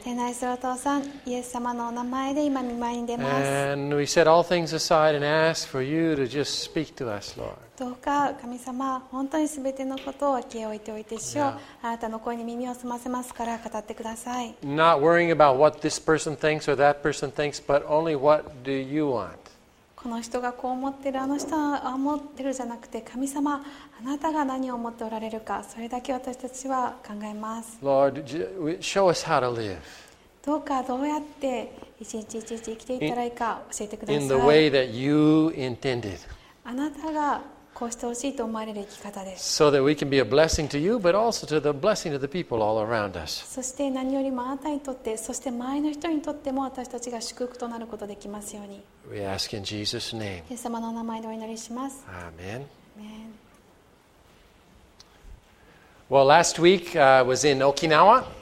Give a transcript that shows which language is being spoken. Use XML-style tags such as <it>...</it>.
<ja>天のお父さん、イエス様のお名前で今御前に出ます。</ja> <en>And we set all things aside and ask for you to just speak to us, Lord.</en> <ja>どうか神様、本当にすべてのことを消え置いておいてしよう。あなたの声に耳を澄ませますから語ってください。</ja> <en>Not worrying about what this person thinks or that person thinks, but only what do you want?</en> <ja>この人がこう思ってる、あの人は思ってるじゃなくて、神様、あなたが何を思っておられるか、それだけ私たちは考えます。</ja> <en>Lord, show us how to live.</en> <ja>どうかどうやって一日一日生きていったらいいか教えてください。</ja> <en>In the way that you intended.</en> <ja>あなたがこうしてほしいと思われる生き方です。</ja> <en>So that we can be a blessing to you, but also to the blessing of the people all around us.</en> <ja>そして何よりもあなたにとって、そして周りの人にとっても私たちが祝福となることができますように。</ja> <en>We ask in Jesus' name.</en> <ja>イエス様のお名前でお祈りします。</ja> <en>Amen. Amen. Well, last week I was in Okinawa.</en>